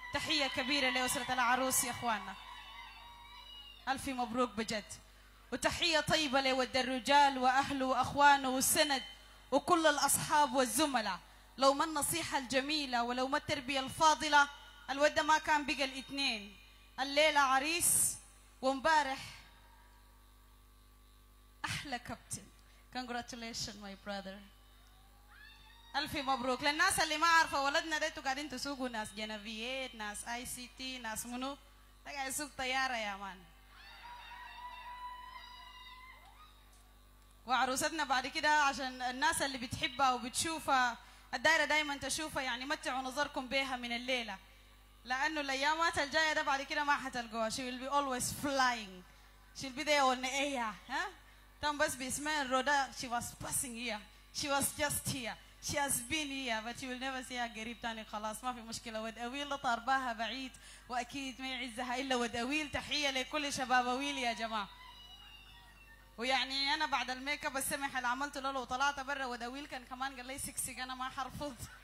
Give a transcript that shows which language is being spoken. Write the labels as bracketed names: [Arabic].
[Arabic] تحية كبيرة لأسرة العروس يا أخواننا، ألف مبروك بجد، وتحية طيبة لود الرجال وأهله وأخوانه والسند وكل الأصحاب والزملاء. لو ما النصيحة الجميلة ولو ما التربية الفاضلة الودة ما كان بقى الاثنين، الليلة عريس ومبارح أحلى كابتن. [English] Congratulations my brother، [Arabic] ألف مبروك. للناس اللي ما عارفة ولدنا ديتو قاعدين تسوقوا ناس جنفيات ناس اي سي تي ناس منو قاعد يسوق طيارة يا مان. وعروستنا بعد كده عشان الناس اللي بتحبها وبتشوفها الدائرة دايما تشوفها، يعني متعوا نظركم بيها من الليلة، لأنه الأيامات الجاية ده بعد كده ما حتلقوها. [English] She will be always flying. She'll be there on air. [Arabic] تم بس باسمها الرودا. [English] She was passing here. She was just here. She has been here but you will never see her [Arabic] قريب تاني. خلاص ما في مشكلة. ود أويل لطارباها بعيد وأكيد ما يعزها إلا ود أويل. تحية لكل شباب أويل يا جماعة. ويعني أنا بعد الميك اب السمح اللي عملته له وطلعت برا ود أويل كان كمان قال لي سكسي أنا ما حرفض.